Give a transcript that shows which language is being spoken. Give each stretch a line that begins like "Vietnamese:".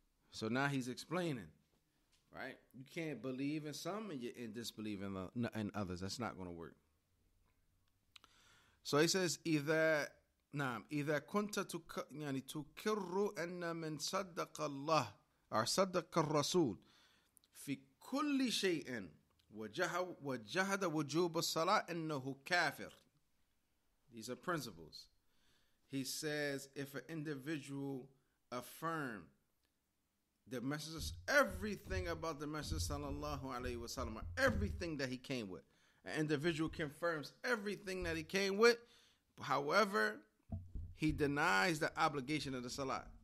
English: So now he's explaining, right? You can't believe in some and disbelieve in others. That's not going to work. So he says,
Arabic: إذا كنت تكرر أن من صدق الله أو صدق الرسول في كل شيء وجهد وجوب الصلاة إنه كافر.
English: These are principles. He says, if an individual affirm the message, everything about the message sallallahu alayhi wasallam, everything that he came with, an individual confirms everything that he came with, however, he denies the obligation of the salat.